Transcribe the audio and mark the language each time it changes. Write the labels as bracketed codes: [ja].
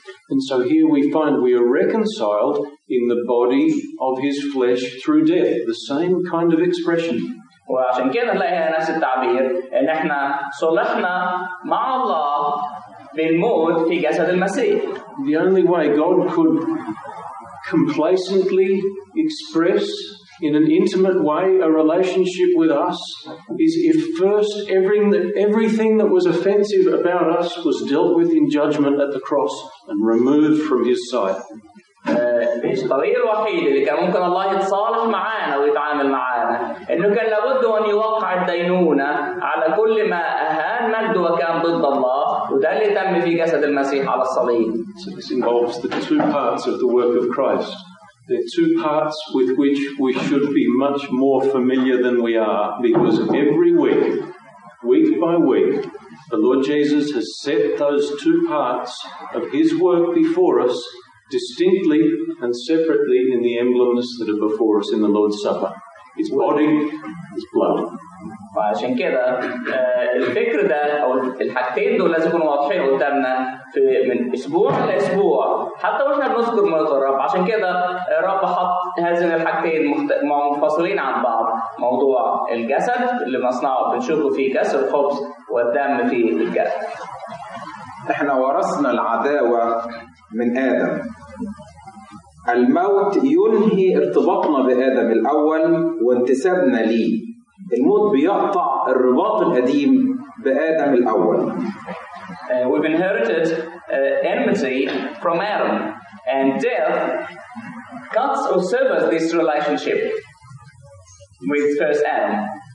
[en] And so here we find we are reconciled in the body of his flesh through death. The same kind of expression. [ar] وعشان كده نلاقي نفس التعبير إن إحنا صلحنا مع الله بالموت في جسد المسيح. [en] The only way God could complacently express in an intimate way a relationship with us is if first everything that was offensive about us was dealt with in judgment at the cross and removed from his sight. [ar] الطريق الوحيد اللي كان ممكن الله يتصالح معانا ويتعامل معانا انه كان لابد ان يوقع الدينونه على كل ما اهان مجده وكان ضد الله وده اللي تم في جسد المسيح على الصليب. [en] So this involves the two parts of the work of Christ. They're two parts with which we should be much more familiar than we are, because every week, week by week, the Lord Jesus has set those two parts of his work before us distinctly and separately in the emblems that are before us in the Lord's Supper. His body, his blood. [ar] وعشان كده الفكر ده أو الحاجتين دول لازم يكونوا واضحين قدامنا في من أسبوع لأسبوع حتى وإحنا بنذكر موت الرب. عشان كده الرب حط هذين الحاجتين منفصلين عن بعض، موضوع الجسد اللي مصنعه بنشوفه في كأس الخبز والدم في الجسد. إحنا ورثنا العداوة من آدم. الموت ينهي ارتباطنا بآدم الأول وانتسابنا ليه. الموت بيقطع الرباط القديم بآدم الأول. [en] We've inherited enmity from Adam, and death cuts or severs this relationship with first Adam.